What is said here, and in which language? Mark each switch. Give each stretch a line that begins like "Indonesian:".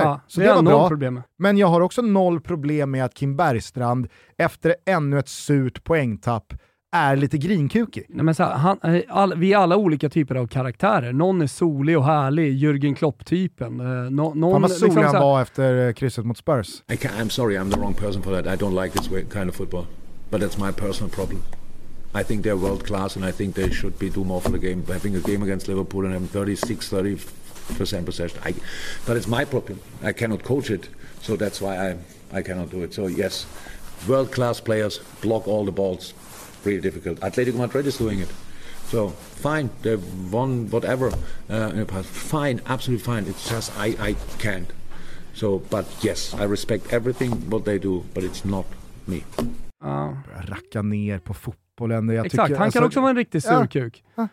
Swedish: Så det var bra. Men jag har också noll problem med att Kim Bergstrand efter ännu ett surt poängtapp är lite grinkukig. Nej, men så här, vi är alla olika typer av karaktärer. Någon är solig och härlig, Jürgen Klopp-typen. Någon var solig liksom, han var efter krysset mot Spurs.
English: I'm sorry, I'm the wrong person for that. I don't like this kind of football. But that's my personal problem. I think they're world class and I think they should be do more for the game. Having a game against Liverpool and having 36-30% possession. But it's my problem. I cannot coach it. So that's why I cannot do it. So yes, world class players block all the balls. Really difficult. Atletico Madrid is doing it. So fine, they've won whatever in the past. Fine, absolutely fine. It's just I can't. So, but yes, I respect everything what they do, but it's not me.
Swedish: Racka ner på fotbollen. Exakt, han kan också vara en riktig surkuk.